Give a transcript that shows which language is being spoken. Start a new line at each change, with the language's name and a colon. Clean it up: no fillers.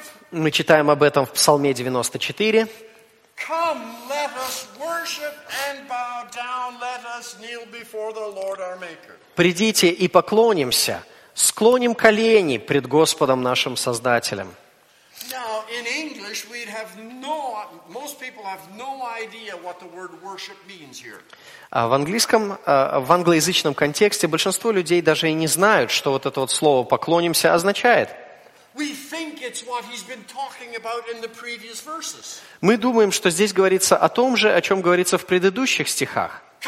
Russian: Мы читаем об этом в Псалме 94.
English: Come, let us worship and bow down, let us kneel before the Lord our Maker.
Russian: Придите и поклонимся, склоним колени пред Господом нашим Создателем.
English: Now, in English, we'd have no, most people have no idea what the word worship means here.
Russian: В англоязычном контексте большинство людей даже и не знают, что вот это вот слово «поклонимся» означает. Мы думаем, что здесь говорится о том же, о чем говорится в предыдущих стихах.